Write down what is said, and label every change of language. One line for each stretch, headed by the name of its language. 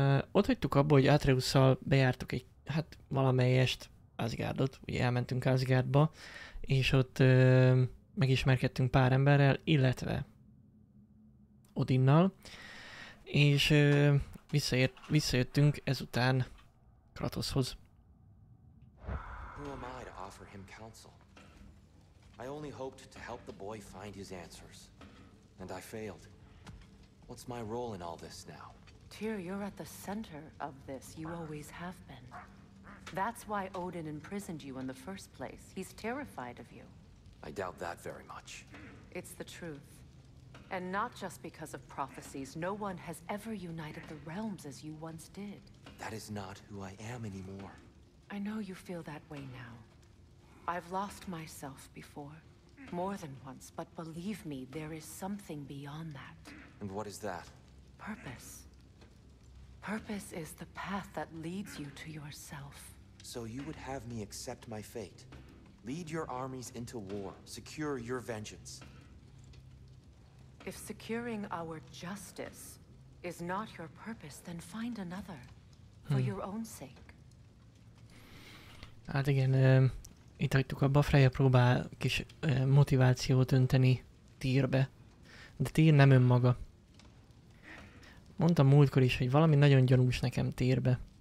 Hungarian: Ott hagytuk abba, hogy Atreusszal bejártuk egy, hát valamelyest Asgardot, ugye elmentünk Asgardba, és ott megismerkedtünk pár emberrel, illetve Odinnal, és visszajöttünk ezután Kratoshoz.
English: Who am I to offer him counsel? I only hoped to help the boy find his answers, and I failed. What's my role in all this now? Tyr, you're at the center of this. You always have been. That's why Odin imprisoned you in the first place. He's terrified of you. I doubt that very much. It's the truth. And not just because of prophecies. No one has ever united the realms as you once did. That is not who I am anymore. I know you feel that way now. I've lost myself before. More than once. But believe me, there is something beyond that. And what is that? Purpose. Purpose is the path that leads you to yourself. So you would have me accept my fate. Lead your armies into war. Secure your vengeance. If securing our justice is not your purpose, then find another. For your own sake.
Hungarian: Hát igen, itt hagytuk abba. Freya próbál kis motivációt önteni Tyrbe. De Tyr nem önmaga. Mondtam múltkor is, hogy valami nagyon gyanús nekem Tyrbe.